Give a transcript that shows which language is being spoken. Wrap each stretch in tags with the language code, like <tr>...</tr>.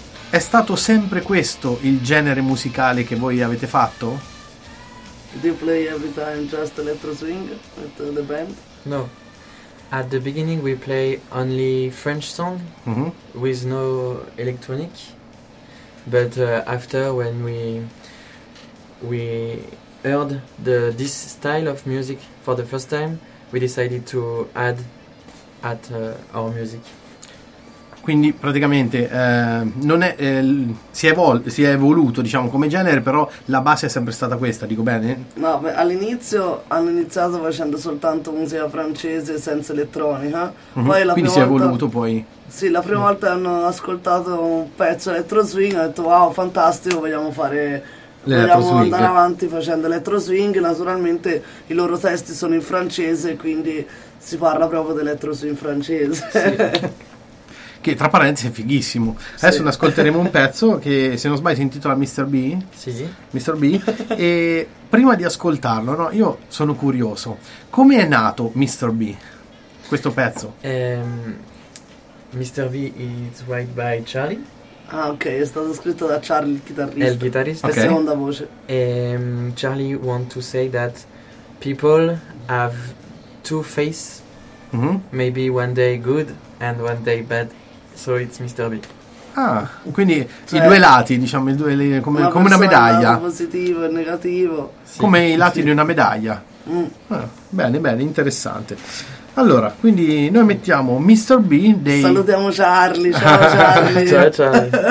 <it>È stato sempre questo il genere musicale che voi avete fatto?</it> <en>Do you play every time just electro swing with the band? No. At the beginning we play only French song, mm-hmm, with no electronic. But after, when we heard this style of music for the first time, we decided to add at our music.</en> <it>Quindi praticamente non è si è evoluto diciamo come genere, però la base è sempre stata questa, dico bene? No, beh, all'inizio hanno iniziato facendo soltanto musica francese senza elettronica, uh-huh, poi la quindi prima si è evoluto volta, poi? Sì, la prima volta hanno ascoltato un pezzo elettro swing, ho detto wow, fantastico, vogliamo fare andare avanti facendo elettro swing. Naturalmente i loro testi sono in francese, quindi si parla proprio di elettro swing francese. Sì. Che tra parentesi è fighissimo. Adesso sì, ne ascolteremo un pezzo che, se non sbaglio, si intitola Mr. B. Sì. Mr. B. E prima di ascoltarlo, no, io sono curioso. Come è nato Mr. B, questo pezzo?</it> <en>Mr. B is written by Charlie.</en> <it>Ah, ok, è stato scritto da Charlie, il chitarrista. È il chitarrista, okay. La seconda voce.</it> <en>Charlie want to say that people have two faces. Mm-hmm. Maybe one day good and one day bad. So it's Mr. B.</en> <it>Ah, quindi cioè, i due lati, diciamo, i due, come, una, come una medaglia. Positivo e negativo. Sì, come i lati, sì, di una medaglia. Mm. Ah, bene, bene, interessante. Allora, quindi noi mettiamo Mr. B dei... Salutiamo Charlie, ciao Charlie. Ciao, ciao.</it>